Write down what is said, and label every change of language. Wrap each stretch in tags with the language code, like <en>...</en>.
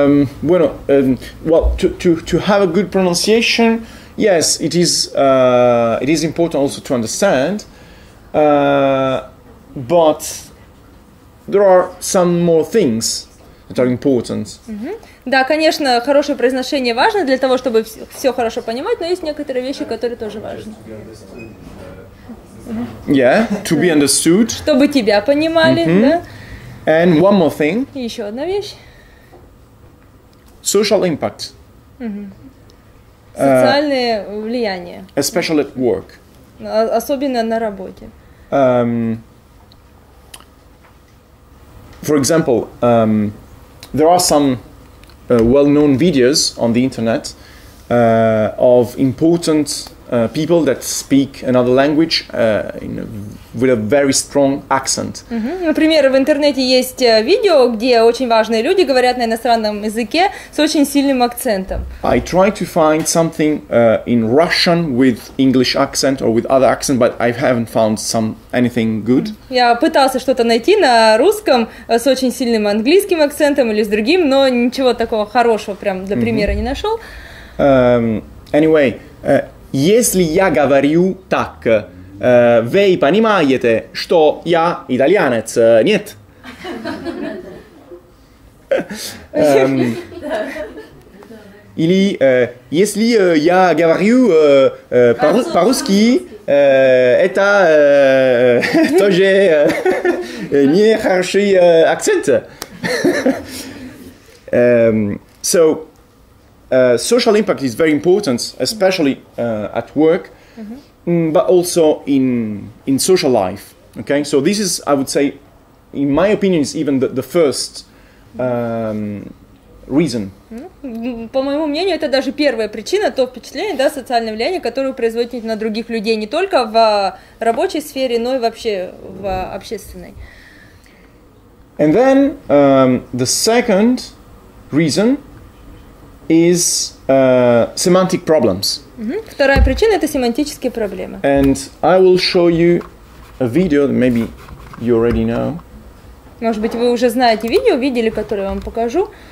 <es>Bueno,</es> <en>well, to have a good pronunciation, yes, it is important also to understand, but there are some more things that are important.</en> <ru>Да, конечно, хорошее произношение важно для того, чтобы все хорошо понимать, но есть некоторые вещи, которые тоже важны.</ru> <en>Yeah, to be understood.</en> <ru>Чтобы тебя понимали, да?</ru> <en>And one more thing.</en> <ru>Еще одна вещь.</ru> <en>Social impact.</en> <ru>Социальное влияние.</ru> <en>Especially at work.</en> <ru>Особенно на работе.</ru> <en>For example, there are some well-known videos on the internet of important people that speak another language with a very strong accent.</en> <ru>Например, в интернете есть видео, где очень важные люди говорят на иностранном языке с очень сильным акцентом.</ru> <en>I try to find something in Russian with English accent or with other accent, but I haven't found anything good.</en> <ru>Я пытался что-то найти на русском с очень сильным английским акцентом или с другим, но ничего такого хорошего прям для примера не нашел.</ru> <en>Anyway.</en> <ru>Если я говорю так, вы понимаете, что я итальянец? Нет. Или если я говорю по-русски, это тоже не хороший акцент.</ru> <en>Social impact is very important, especially at work, but also in social life. Okay, so this is, I would say, in my opinion, is even the first reason.</en> <ru>По моему мнению, это даже первая причина, то впечатление, да, социальное влияние, которое производит на других людей не только в рабочей сфере, но и вообще в общественной.</ru> <en>And then the second reason. Is semantic problems.</en> <ru>Вторая причина — это семантические проблемы.</ru> <en>And I will show you a video that maybe you already know.</en> <ru>Может быть, вы уже знаете видео, видели, которое я вам покажу.</ru>